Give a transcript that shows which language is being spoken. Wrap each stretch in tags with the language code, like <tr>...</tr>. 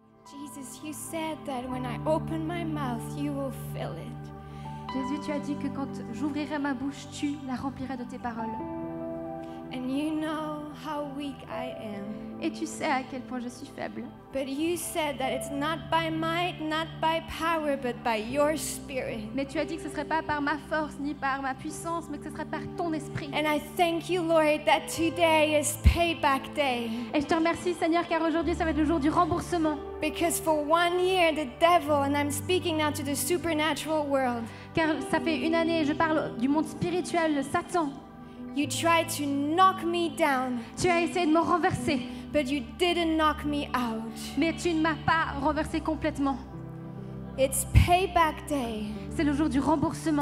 <en>Jesus, you said that when I open my mouth, you will fill it.</en> <fr>Jésus, tu as dit que quand j'ouvrirai ma bouche, tu la remplirais de tes paroles.</fr> <en>And you know how weak I am.</en> <fr>Et tu sais à quel point je suis faible.</fr> <en>But you said that it's not by might, not by power, but by your spirit.</en> <fr>Mais tu as dit que ce serait pas par ma force ni par ma puissance, mais que ce serait par ton esprit.</fr> <en>And I thank you, Lord, that today is payback day.</en> <fr>Et je te remercie, Seigneur, car aujourd'hui ça va être le jour du remboursement.</fr> <en>Because for one year the devil, and I'm speaking now to the supernatural world.</en> <fr>Car ça fait une année, je parle du monde spirituel, le Satan.</fr> <en>You tried to knock me down.</en> <fr>Tu as essayé de me renverser.</fr> <en>But you didn't knock me out.</en> <fr>Mais tu ne m'as pas renversé complètement.</fr> <en>It's payback day.</en> <fr>C'est le jour du remboursement.</fr>